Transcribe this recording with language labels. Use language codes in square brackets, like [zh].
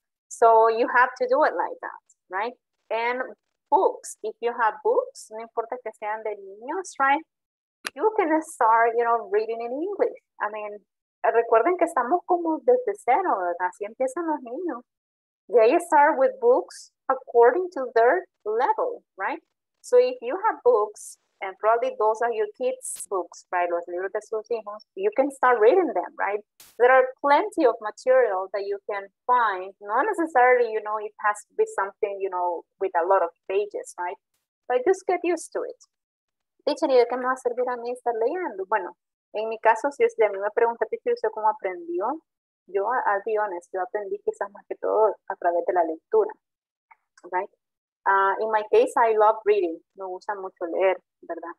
[en] So you have to do it like that, right? And books, if you have books, [es] no importa que sean de niños, [en] right? You can start, you know, reading in English. I mean, [es] recuerden que estamos como desde cero, ¿verdad? Así empiezan los niños. [en] They start with books according to their level, right? So if you have books, and probably those are your kids' books, right? [es] Los libros de sus hijos, [en] you can start reading them, right? There are plenty of material that you can find. Not necessarily, you know, it has to be something, you know, with a lot of pages, right? But just get used to it. [es] Teacher, ¿y de qué me va a servir a mí estar leyendo? Bueno, en mi caso, si usted a mí me pregunta, teacher, ¿usted cómo aprendió? Yo, [en] I'll be honest, [es] yo aprendí quizás más que todo a través de la lectura, right? [en] In my case, I love reading. [es] Me gusta mucho leer, ¿verdad?